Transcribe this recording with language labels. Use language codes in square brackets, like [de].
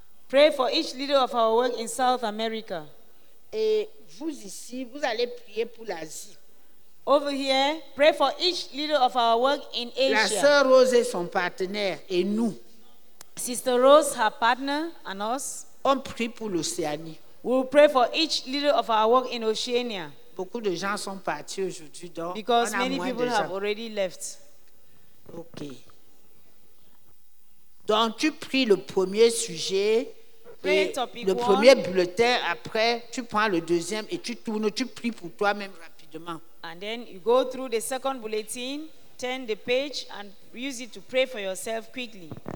[en] Pray for each leader of our work in South America. [fr] Et vous ici, vous allez prier pour l'Asie. [en] Over here, pray for each leader of our work in Asia. [fr] La sœur Rose et son partenaire et nous. [en] Sister Rose, her partner, and us. [fr] On prie pour l'Océanie. [en] We will pray for each leader of our work in Oceania. [fr] Beaucoup de gens sont partis aujourd'hui, donc [en] because many people have already left. Okay. [fr] Donc tu pries le premier sujet, le premier bulletin. Après, tu prends le deuxième et tu tournes. Tu pries pour toi-même rapidement. [en] And then you go through the second bulletin, turn the page, and use it to pray for yourself quickly.